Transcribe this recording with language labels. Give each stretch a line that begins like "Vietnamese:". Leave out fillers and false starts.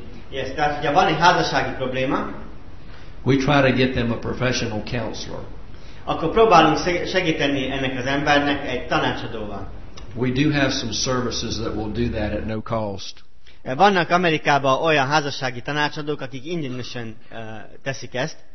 Hungarian: Yes, tehát ugye van egy házassági probléma.
English: We try to get them a professional counselor.
Hungarian: Akkor próbálunk segíteni ennek az embernek egy tanácsadóval.
English: We do have some services that will do that at no cost.
Hungarian: Vannak Amerikában olyan házassági tanácsadók, akik ingyenesen teszik ezt.